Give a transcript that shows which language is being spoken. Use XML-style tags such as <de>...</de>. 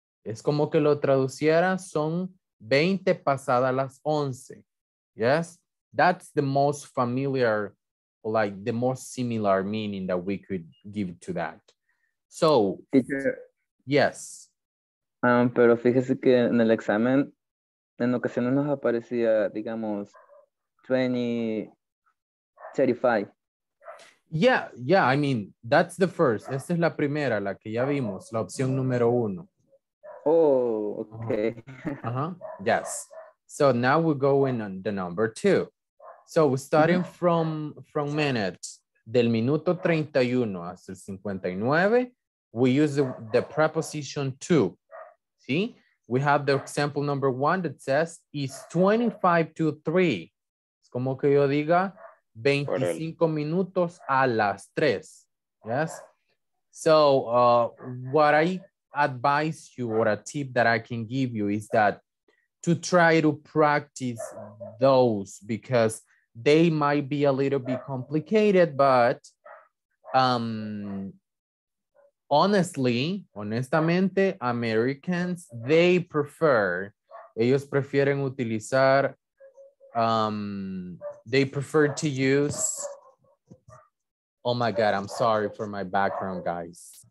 <es>Es como que lo traduciera, son 20 pasadas las 11.</es> <en>Yes? That's the most familiar, like the most similar meaning that we could give to that. So, teacher, yes.</en> <es>Pero fíjese que en el examen, en ocasiones nos aparecía, digamos, 2035.</es> <en>Yeah, I mean, that's the first.</en> <es>Esta es la primera, la que ya vimos, la opción número uno.</es> <en>Oh, okay. Yes. So now we're going on the number two. So starting from minutes,</en> <es>del minuto 31 hasta el 59,</es> <en>we use the preposition to. See, we have the example number one that says, is 25 to 3.</en> <es>Es como que yo diga, 25 minutos a las 3.</es> <en>Yes? So what I advise you, or a tip that I can give you, is that to try to practice those, because they might be a little bit complicated, but</en> <es>honestamente,</es> <en>Americans, they prefer,</en> <es>ellos prefieren utilizar,</es> <en>they prefer to use, oh my God, I'm sorry for my background, guys.</en>